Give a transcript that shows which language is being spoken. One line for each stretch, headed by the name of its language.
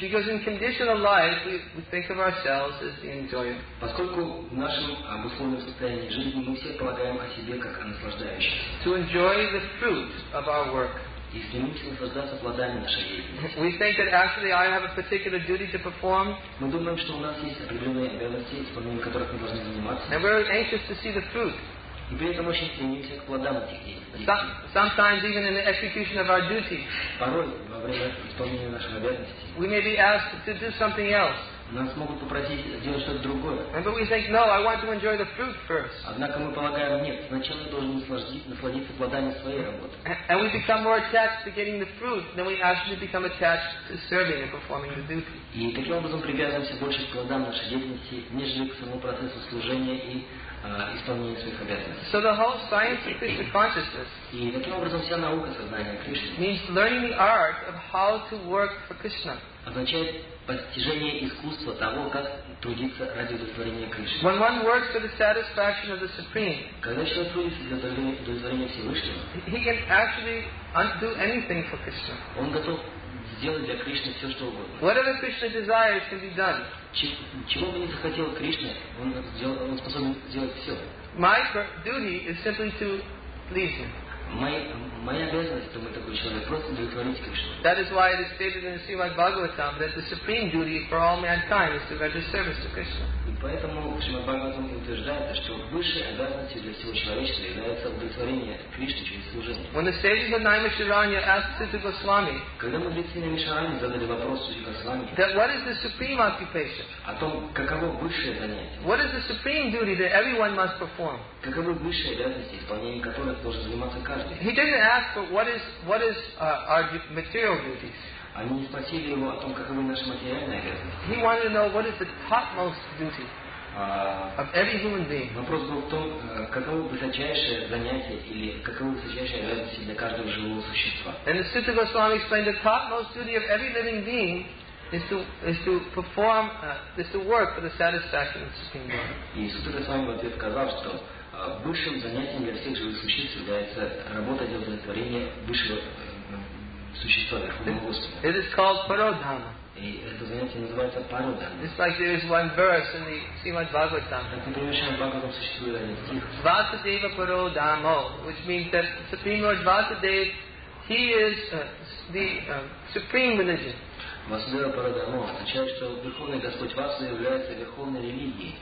English: Because in conditional life we think of ourselves as the enjoyer.
Russian: Поскольку в нашем обусловленном состоянии жизни мы все полагаем о себе как о наслаждающемся.
English: To enjoy the fruit of our work.
Russian: И стремимся наслаждаться плодами нашей деятельности.
English: We think that actually I have a particular duty to perform.
Russian: Мы думаем, что у нас есть определенные обязанности, исполнением которых мы должны заниматься.
English: And we're anxious to see the fruit.
Russian: И при этом очень стремимся к плодам этих действий.
English: Sometimes even in the execution of our duties.
Russian: Порой во время исполнения наших обязанностей.
English: We may be asked to do something else.
Russian: Нас могут попросить сделать что-то другое.
English: And but we think, no, I want to enjoy the fruit first.
Russian: Однако мы полагаем, нет, сначала я должен насладиться плодами своей работы.
English: And we become more attached to getting the fruit than we actually become attached to serving and performing the duty.
Russian: И таким образом привязываемся больше к плодам нашей деятельности, нежели к самому процессу служения и исполнение своих обязанностей.
English: So the whole science of Krishna consciousness.
Russian: И таким образом вся наука сознания Кришны.
English: Means learning the art of how to work for Krishna.
Russian: Означает постижение искусства того, как трудиться ради удовлетворения Кришны.
English: When one works for the satisfaction of the Supreme.
Russian: Когда человек трудится для удовлетворения Всевышнего.
English: He can actually undo anything for Krishna.
Russian: Он готов сделать для Кришны все, что угодно.
English: Whatever Krishna desires can be done.
Russian: Чего бы ни захотел Кришна, он способен сделать все.
English: My duty is simply to please him.
Russian: Моя обязанность, чтобы такой человек просто удовлетворить Кришну.
English: That is why it is stated in the Srimad Bhagavatam that the supreme duty for all mankind is to render service to Krishna.
Russian: И поэтому Шримад Бхагаватам утверждается, что высшей обязанностью для всего человечества является удовлетворение Кришны через служение.
English: When the sages of Naimisharanya asked Siddha Goswami,
Russian: когда мудрецы Наймишараньи задали вопрос Сиддхи Госвами,
English: that what is the supreme occupation?
Russian: О том, каково высшее занятие?
English: What is the supreme duty that everyone must perform?
Russian: Каковы высшие обязанности, исполнением которых должен заниматься каждый?
English: He didn't ask, but what is our material duties?
Russian: Они не спросили его о том, каковы наши материальные обязанности.
English: He wanted to know what is the topmost duty of every human being.
Russian: Вопрос был в том, каково высочайшее занятие или каковы высочайшие обязанности для каждого живого существа.
English: And the Siddha Goswami explained the topmost duty of every living being is to work for the satisfaction of the Supreme Lord.
Russian: И Суддха Госвами в ответ сказал, что высшим занятием для всех живых существ является работа для удовлетворения высшего существа, Верховного Господа.
English: It is called Parodhana.
Russian: И это занятие называется Parodhana.
English: It's like there is one verse in the Srimad Bhagavatam.
Russian: Так, например, в Шримад Бхагаватам существует один стих.
English: Vasudeva Parodhamo, which means that the Supreme Lord Vasudeva, he is the supreme religion.
Russian: Васудева Парадхамо означает, что Верховный Господь Васу является Верховной религией.